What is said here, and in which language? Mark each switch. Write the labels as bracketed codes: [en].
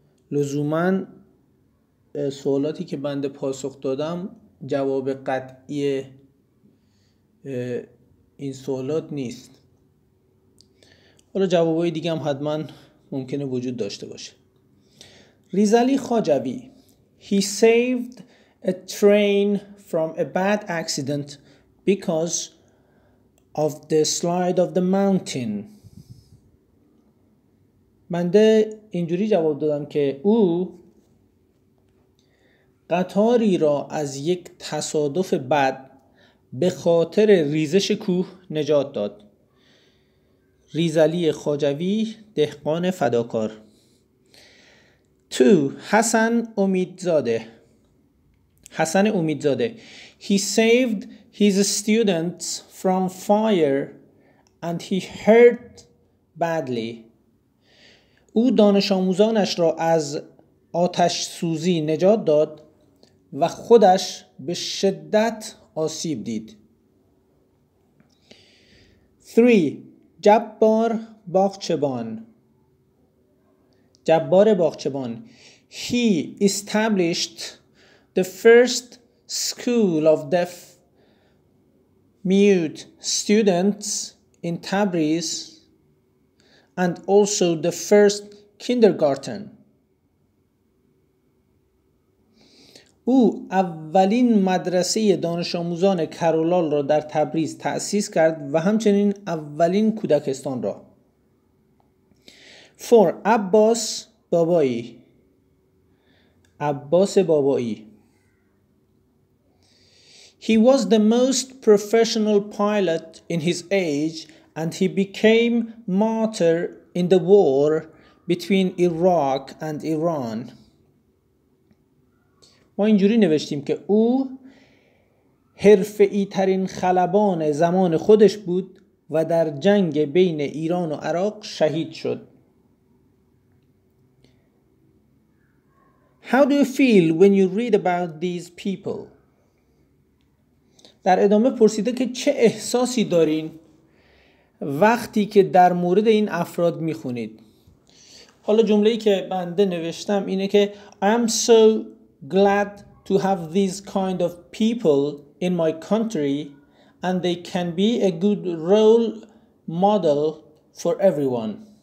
[fa] لزوماً سوالاتی که بنده پاسخ دادم جواب قطعی این سوالات نیست. حالا جوابای دیگه هم حتما ممکنه وجود داشته باشه. ریزعلی خاجوی. [en] He saved a train from a bad accident because of the slide of the mountain. [fa] بنده اینجوری جواب دادم که او قطاری را از یک تصادف بد به خاطر ریزش کوه نجات داد. ریزعلی خاجوی، دهقان فداکار. 2. حسن امیدزاده. حسن امیدزاده. [en] He saved his students from fire and he hurt badly. [fa] او دانش آموزانش را از آتش سوزی نجات داد و خودش به شدت آسیب دید. 3. جبار باغچبان. جبار باغچبان. [en] He established the first school of deaf mute students in Tabriz and also the first kindergarten. [fa] او اولین مدرسه دانش آموزان کرولال را در تبریز تأسیس کرد و همچنین اولین کودکستان را. 4. عباس بابایی. عباس بابایی. [en] He was the most professional pilot in his age and he became martyr in the war between Iraq and Iran. [fa] ما اینجوری نوشتیم که او حرفه‌ای ترین خلبان زمان خودش بود و در جنگ بین ایران و عراق شهید شد. [en] How do you feel when you read about these people? [fa] در ادامه پرسیده که چه احساسی دارین وقتی که در مورد این افراد میخونید. حالا جمله‌ای که بنده نوشتم اینه که [en] I'm so glad to have these kind of people in my country and they can be a good role model for everyone.